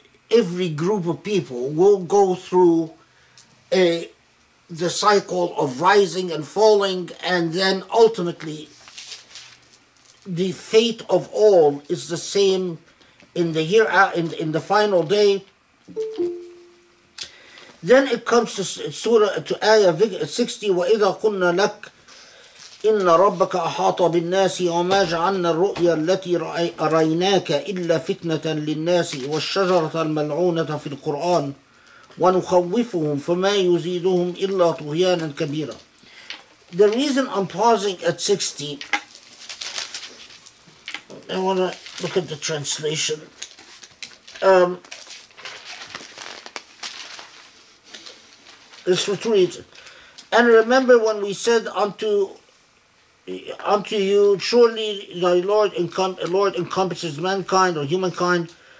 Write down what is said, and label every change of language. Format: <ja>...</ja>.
<en>every group of people will go through the cycle of rising and falling, and then ultimately the fate of all is the same in the year, in the final day. Then it comes to surah, to ayah 60,</en> <ar>وَإِذَا قُلْنَا لَكْ إِنَّ رَبَّكَ أَحَاطَ بِالنَّاسِ وَمَا جَعَلْنَا الرُّؤْيَا الَّتِي رَيْنَاكَ إِلَّا فِتْنَةً لِلنَّاسِ وَالشَّجَرَةَ الْمَلْعُونَةَ فِي الْقُرْآنِ وَنُخَوِّفُهُمْ فَمَا يُزِيدُهُمْ إِلَّا طُغْيَانًا كَبِيرًا.</ar> <en>The reason I'm pausing at 60, I want to look at the translation. This retreat, and remember when we said unto you, surely thy Lord encompasses mankind or humankind.</en>